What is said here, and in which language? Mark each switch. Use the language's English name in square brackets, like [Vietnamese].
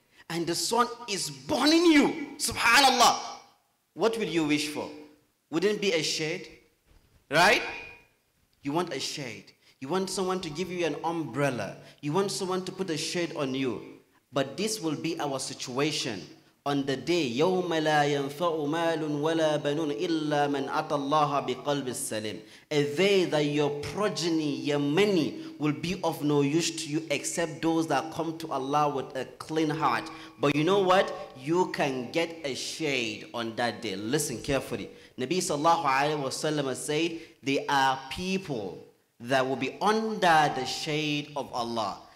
[English] And the sun is burning you. Subhanallah. What will you wish for? Wouldn't it be a shade? Right? You want a shade. You want someone to give you an umbrella. You want someone to put a shade on you. But this will be our situation. On the day, [Arabic] يَوْمَ لَا يَنْفَعُ مَالٌ وَلَا بَنُونَ إِلَّا مَنْ أَتَى اللَّهَ بِقَلْبِ السَّلِيمِ. [English] A day that your progeny, your money, will be of no use to you except those that come to Allah with a clean heart. But you know what? You can get a shade on that day. Listen carefully. Nabi sallallahu alayhi wa sallam said, there are people that will be under the shade of Allah.